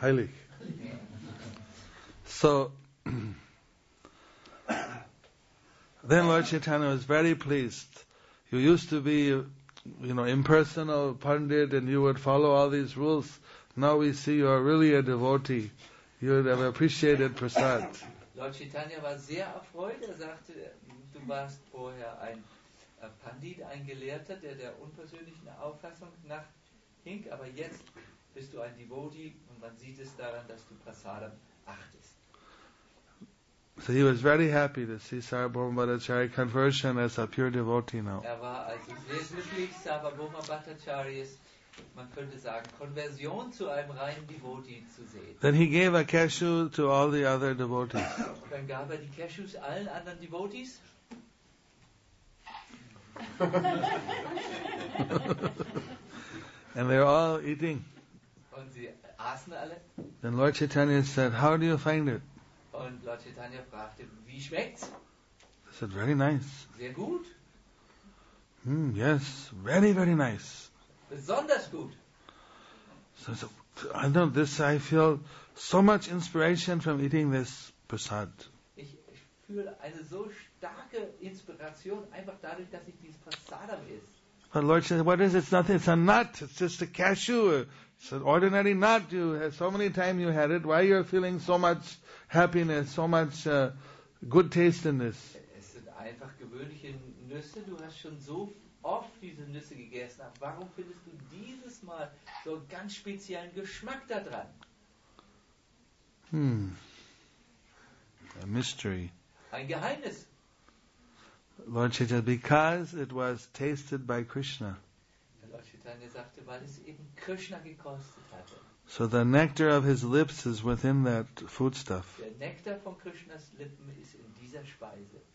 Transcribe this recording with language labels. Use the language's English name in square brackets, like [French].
[English] Heilig. So, then Lord Chaitanya was very pleased. You used to be, you know, impersonal pandit, and you would follow all these rules. Now we see you are really a devotee. You would have appreciated prasad. [German] Lord Chaitanya war sehr erfreut. Er sagte, du warst vorher ein Pandit, ein Gelehrter, der unpersönlichen Auffassung nach hing, aber jetzt bist du ein Devotee und man sieht es daran, dass du Prasadam achtest. [English] So he was very happy to see Sarvabhauma Bhattacharya's conversion as a pure devotee now. [German] Er war also sehr glücklich, Sarvabhauma Bhattacharya's, man könnte sagen, Konversion zu einem reinen Devotee zu sehen. [English] Then he gave a cashew to all the other devotees. [German] Und dann gab er die Cashews allen anderen Devotees. [English] And they were all eating. [German] Und sie aßen alle. [English] Then Lord Chaitanya said, how do you find it? [German] Und Lord Chaitanya fragte, wie schmeckt's? [English] He said, very nice. [German] Sehr gut. [English] Mm, yes, very, very nice. [German] Besonders gut. [English] So I know this. I feel so much inspiration from eating this prasad. [German] Ich fühle eine so starke Inspiration einfach dadurch, dass ich dieses Prasadam esse. [English] But Lord says, what is it? It's nothing. It's a nut. It's just a cashew. It's an ordinary nut. You have so many times you had it. Why are you feeling so much happiness, so much good taste in this? [German] Es sind einfach gewöhnliche Nüsse. Du hast schon so oft diese Nüsse gegessen, aber warum findest du dieses Mal so einen ganz speziellen Geschmack da dran? [English] A mystery. [German] Ein Geheimnis. [English] Lord Chaitanya, because it was tasted by Krishna. [German] Lord Chaitanya sagte, weil es eben Krishna gekostet hatte. [English] So the nectar of his lips is within that foodstuff. [German] Der Nektar von Krishnas Lippen ist in dieser Speise.